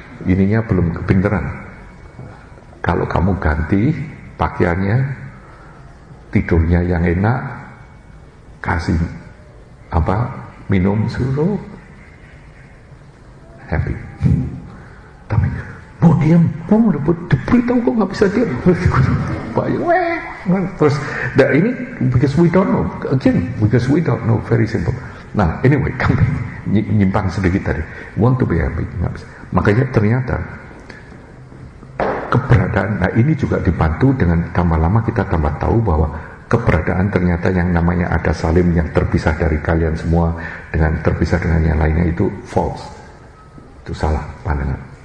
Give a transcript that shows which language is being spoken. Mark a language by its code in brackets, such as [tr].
[id] Ininya belum kepinteran. Kalau kamu ganti pakaiannya, tidurnya yang enak, kasih apa minum susu, happy. Tapi mau diam, mau dapat diberitahu kok nggak bisa diam. Bayi, terus. [en] Nah ini because we don't know again, because we don't know, very simple. [id] Nah anyway, kami nyimpang sedikit tadi. [en] Want to be happy, [id] nggak bisa. Makanya ternyata keberadaan. Nah ini juga dibantu dengan tambah lama kita tambah tahu bahwa keberadaan ternyata yang namanya ada salim yang terpisah dari kalian semua dengan terpisah dengan yang lainnya itu false, itu salah pandangan.